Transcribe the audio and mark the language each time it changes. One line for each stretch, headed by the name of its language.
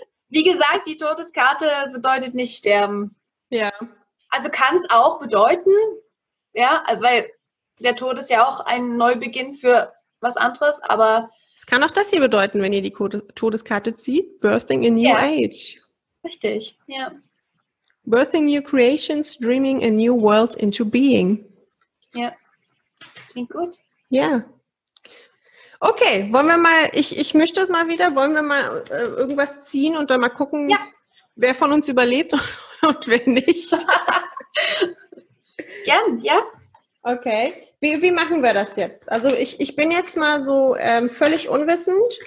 German: Wie gesagt, die Todeskarte bedeutet nicht sterben. Ja. Also kann es auch bedeuten, ja, weil der Tod ist ja auch ein Neubeginn für was anderes, aber... Es kann auch das hier bedeuten, wenn ihr die Todeskarte zieht.
English: Birthing a new age.
German: Richtig, ja.
English: Birthing new creations, dreaming a new world into being.
German: Ja, klingt gut. Ja. Okay, wollen wir mal, ich mische das mal wieder, wollen wir mal irgendwas ziehen und dann mal gucken, wer von uns überlebt und wer nicht. Gern, ja. Okay, wie machen wir das jetzt? Also ich bin jetzt mal so völlig unwissend.